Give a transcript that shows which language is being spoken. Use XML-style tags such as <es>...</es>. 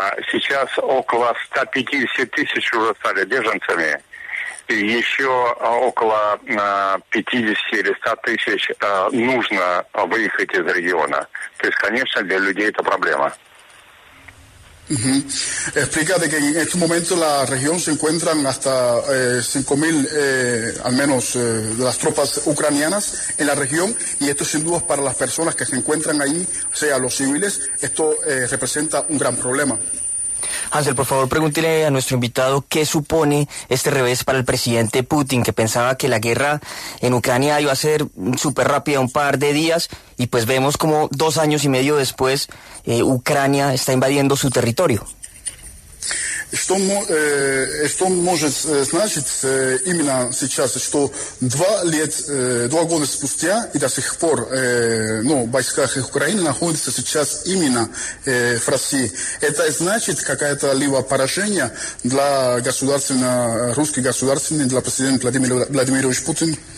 <ru>Сейчас около 150 тысяч уже стали беженцами. И еще около 50 или 100 тысяч нужно выехать из региона. То есть, конечно, для людей это проблема. Uh-huh.</ru> <es>Explícate que en este momento la región se encuentran hasta 5.000, al menos, de las tropas ucranianas en la región, y esto sin duda para las personas que se encuentran ahí, o sea, los civiles, esto representa un gran problema. Hansel, por favor, pregúntele a nuestro invitado qué supone este revés para el presidente Putin, que pensaba que la guerra en Ucrania iba a ser súper rápida, un par de días, y pues vemos como 2 años y medio después Ucrania está invadiendo su territorio.</es> <ru>Что может значить именно сейчас, что два года спустя и до сих пор войска Украины находятся сейчас именно в России. Это значит какое-то либо поражение для русской государственной, для президента Владимировича Путина?</ru>